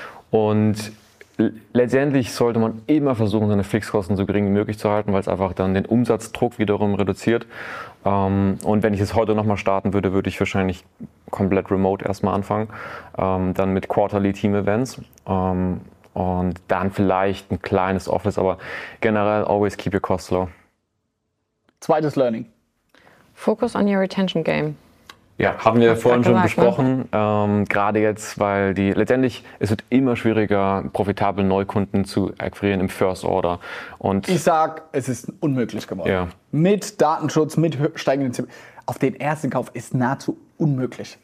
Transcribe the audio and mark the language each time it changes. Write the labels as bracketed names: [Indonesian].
[German] Und letztendlich sollte man immer versuchen, seine Fixkosten so gering wie möglich zu halten, weil es einfach dann den Umsatzdruck wiederum reduziert. Und wenn ich es heute nochmal starten würde, würde ich wahrscheinlich komplett remote erstmal anfangen. Dann mit Quarterly Team Events. Und dann vielleicht ein kleines Office, aber generell [English] always keep your costs low. [German] Zweites Learning. [English] Focus on your retention game. [German] Ja, haben wir vorhin schon besprochen, gerade jetzt, weil letztendlich, es wird immer schwieriger, profitabel Neukunden zu akquirieren im First Order. Und ich sag, es ist unmöglich geworden. Ja. Mit Datenschutz, mit steigenden Zinsen, auf den ersten Kauf ist nahezu unmöglich.